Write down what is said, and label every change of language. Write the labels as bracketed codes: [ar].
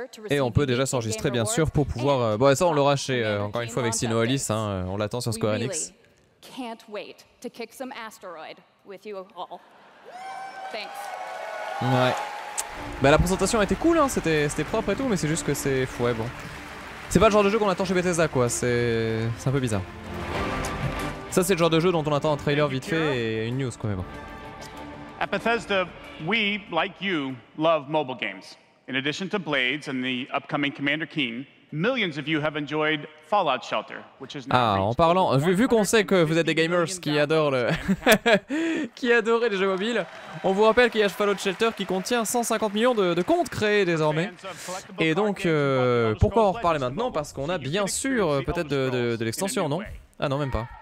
[fr] Et on peut déjà s'enregistrer, bien sûr, pour pouvoir... Bon, ça, on l'aura chez, encore une fois, avec Sinoalis. Hein, on l'attend sur Square Enix. [en] Can't wait to kick some asteroid with you all. Thanks. [fr] Ouais. Bah, la présentation a été cool, hein. C'était propre et tout, mais c'est juste que c'est fouet, bon. C'est pas le genre de jeu qu'on attend chez Bethesda, quoi. C'est un peu bizarre. Ça, c'est le genre de jeu dont on attend un trailer vite fait et une news, quoi, mais bon. [en] À Bethesda, we, like you, love mobile games. In addition to Blades and the upcoming Commander Keen, millions of you have enjoyed Fallout Shelter, which is [fr] ah, en parlant, vu qu'on sait que vous êtes des gamers qui adorent qui adorez les jeux mobiles, on vous rappelle qu'il y a Fallout Shelter qui contient 150 millions de comptes créés désormais. Et donc, pourquoi en reparler maintenant? Parce qu'on a bien sûr peut-être de l'extension, non? Ah non, même pas.